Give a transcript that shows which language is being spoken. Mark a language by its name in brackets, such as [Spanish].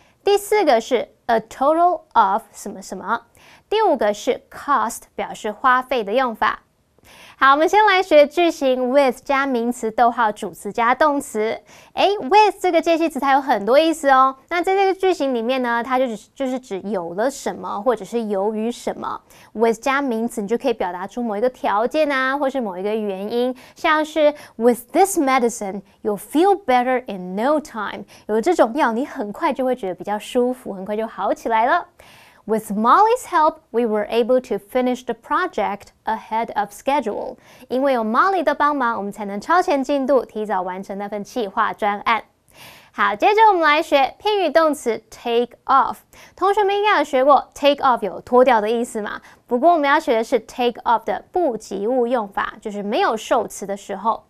[Chinese] 第四个是 [English] a total of [Chinese] 什么什么。第五个是 cost 表示花费的用法。好，我们先来学句型 with 加名词逗号主词加动词。哎 ，with 这个介系词它有很多意思哦。那在这个句型里面呢，它就是指有了什么，或者是由于什么。 with 加名词，你就可以表达出某一个条件啊，或是某一个原因。像是 [English] with this medicine, you'll feel better in no time。 [Chinese] 有了这种药，你很快就会觉得比较舒服，很快就好起来了。 [English] With Molly's help, we were able to finish the project ahead of schedule. [Chinese] 因为有 Molly 的帮忙，我们才能超前进度，提早完成那份企划专案。好，接着我们来学片语动词 take off。同学们应该有学过 take off 有脱掉的意思嘛？不过我们要学的是 take off 的不及物用法，就是没有受词的时候。